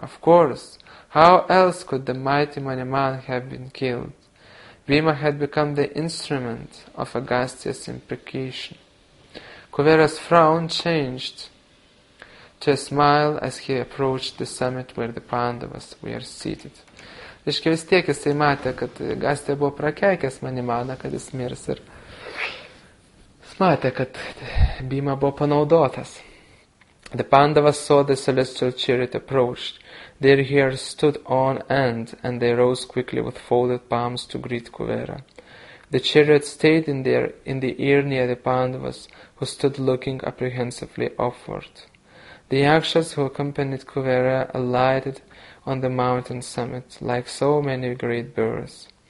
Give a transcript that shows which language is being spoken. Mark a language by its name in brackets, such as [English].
[English] Of course, how else could the mighty Maniman have been killed? Bhima had become the instrument of Agastya's imprecation. Kuvera's frown changed. to smile as he approached the summit where the Pandavas were seated. [Lithuanian] Reiškia, vis tiek jisai matė, kad Gastė buvo prakeikęs Manimaną, kad jis mirs ir jis matė, kad Bima buvo panaudotas. [English] The Pandavas saw the celestial chariot approached. Their hair stood on end and they rose quickly with folded palms to greet Kuvera. The chariot stayed in the air near the Pandavas, who stood looking apprehensively upward. The Yakshas who accompanied Kuvera alighted on the mountain summit, like so many great birds.